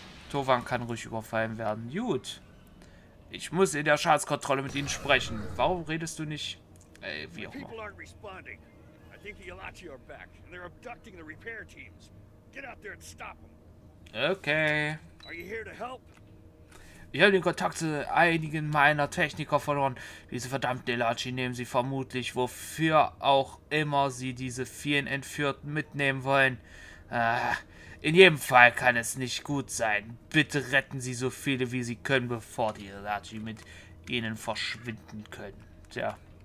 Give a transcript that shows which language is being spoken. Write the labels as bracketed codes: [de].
[de] Tovan kann ruhig überfallen werden. Gut. Ich muss in der Schadenskontrolle mit ihnen sprechen. Warum redest du nicht? Ey, wie auch immer. [en] Aren't responding. I think the Elachi are back and they're abducting the repair teams. Get out there and stop them. Okay. Are you here to help? [de] Ich habe den Kontakt zu einigen meiner Techniker verloren. Diese verdammten Elachi nehmen sie vermutlich, wofür auch immer sie diese vielen Entführten mitnehmen wollen. In jedem Fall kann es nicht gut sein. Bitte retten sie so viele, wie sie können, bevor die Elachi mit ihnen verschwinden können. Tja.